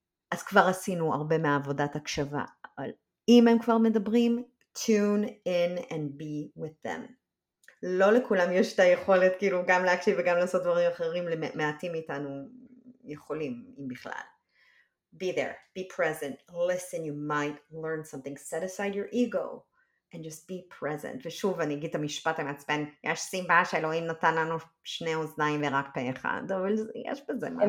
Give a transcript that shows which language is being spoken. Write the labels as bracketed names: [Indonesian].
[Hebrew] אז כבר עשינו הרבה מעבודת הקשבה. אבל אם הם כבר מדברים, [English] tune in and be with them. [Hebrew] לא לכולם יש את היכולת כאילו גם להקשיב וגם לעשות דברים אחרים, למעטים איתנו יכולים, אם בכלל. [English] Be there, be present, listen, you might learn something, set aside your ego. And just be present. [Hebrew] ושוב, אני אגיד את המשפט המעצבן, יש סיבה שאלוהים נתן לנו שני אוזניים ורק פה אחד, אבל יש בזה משהו.